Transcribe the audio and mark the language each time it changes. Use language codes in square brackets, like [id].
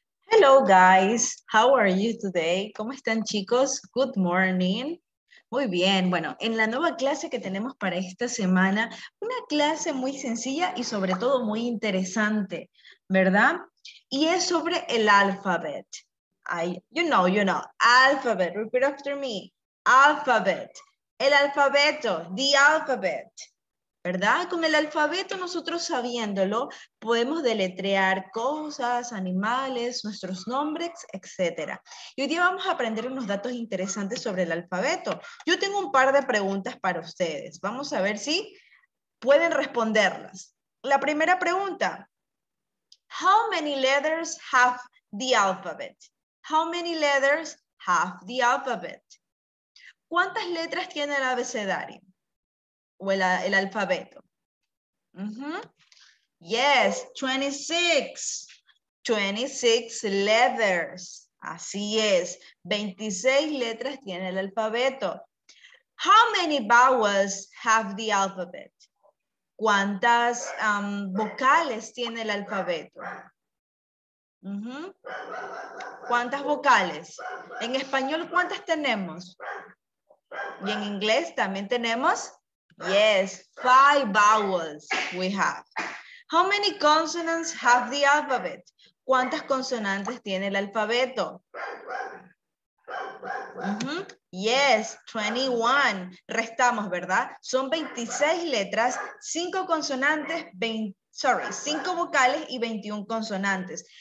[en] Hello guys, how are you today? [es] ¿Cómo están chicos? [en] Good morning. [es] Muy bien, bueno, en la nueva clase que tenemos para esta semana, una clase muy sencilla y sobre todo muy interesante, ¿verdad? Y es sobre el [en] alphabet. You know, alphabet, repeat after me, alphabet, [es] el alfabeto, [en] the alphabet. ¿Verdad? [es] Con el alfabeto, nosotros sabiéndolo, podemos deletrear cosas, animales, nuestros nombres, etc. Y hoy día vamos a aprender unos datos interesantes sobre el alfabeto. Yo tengo un par de preguntas para ustedes. Vamos a ver si pueden responderlas. La primera pregunta. [en] How many letters have the alphabet? How many letters have the alphabet? [es] ¿Cuántas letras tiene el abecedario? O el alfabeto. [en] Yes, 26. 26 letters. [es] Así es. 26 letras tiene el alfabeto. [en] How many vowels have the alphabet? [es] ¿Cuántas vocales tiene el alfabeto? ¿Cuántas vocales? En español, ¿cuántas tenemos? Y en inglés también tenemos... [en] Yes, 5 vowels we have. How many consonants have the alphabet? [es] ¿Cuántas consonantes tiene el alfabeto? Yes, 21. Restamos, ¿verdad? Son 26 letras, 5 consonantes, 5 vocales y 21 consonantes.